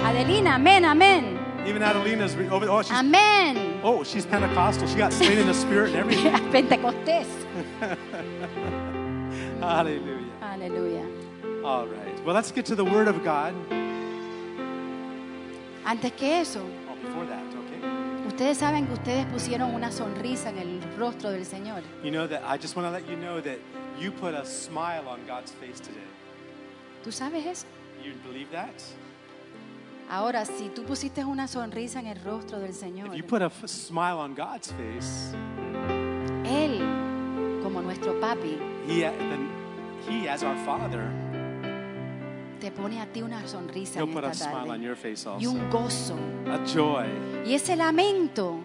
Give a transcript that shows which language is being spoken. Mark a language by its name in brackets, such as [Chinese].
[English] Adelina. Amen, amen. Even Adelina's over. Oh, she's, amen. Oh, she's Pentecostal. She got slain in the spirit and everything. [Spanish] Pentecostés. [English] Hallelujah. Hallelujah. All right. Well, let's get to the Word of God. [Spanish] Antes que eso. [English] Oh, before that, okay. [Spanish] Ustedes saben que ustedes pusieron una sonrisa en el rostro del Señor. [English] You know that, I just want to let you know that You put a smile on God's face today. [Spanish] ¿Tú sabes eso? [English] You believe that? [Spanish] Ahora, si tú pusiste una sonrisa en el rostro del Señor, [English] If you put a smile on God's face, [Spanish] Él, como nuestro papi, [English] he as our father, [Spanish] te pone a ti una sonrisa [English] He'll [Spanish] en esta tarde. [English] He'll put a smile on your face also. [Spanish] Y un gozo. [English] A joy. [Spanish] Y ese lamento,